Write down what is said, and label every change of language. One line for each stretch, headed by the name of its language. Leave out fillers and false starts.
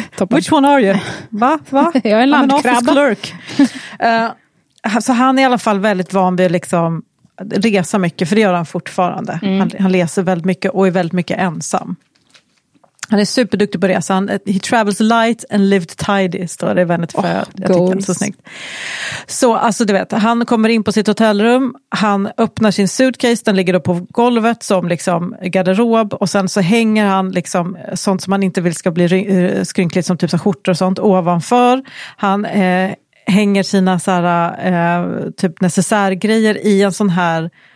English: Which one are you?
Swedish: Va? Va? Jag är en landkrabba. Så han är i alla fall väldigt van vid liksom resa mycket, för det gör han fortfarande. Mm. Han läser väldigt mycket och är väldigt mycket ensam. Han är superduktig på resan.
English: He travels light and lived tidy,
Swedish: står det i
English: Vanity Fair.
Swedish: Jag tycker det är så snyggt. Så, alltså du vet, han kommer in på sitt hotellrum. Han öppnar sin suitcase. Den ligger då på golvet som liksom garderob. Och sen så hänger han liksom sånt som man inte vill ska bli skrynkligt, som typ så skjortor och sånt, ovanför. Han hänger sina såhär, typ necessärgrejer i en sån här...